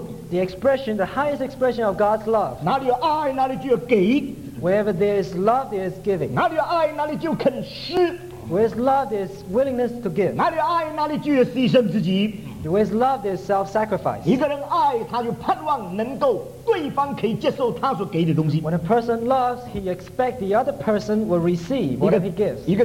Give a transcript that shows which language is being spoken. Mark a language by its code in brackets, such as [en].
[en] The expression, the highest expression of God's love. [zh] 哪里有爱，哪里就有给。 [en] Wherever there is love, there is giving. [zh] 哪里有爱，哪里就肯施。 [en] Where is love, there is willingness to give. [zh] 哪里有爱，哪里就有牺牲自己。 [en] Where is love, there is self-sacrifice. [zh] 一个人爱，他就盼望能够。 [en] When a person loves, he expects the other person will receive what he gives.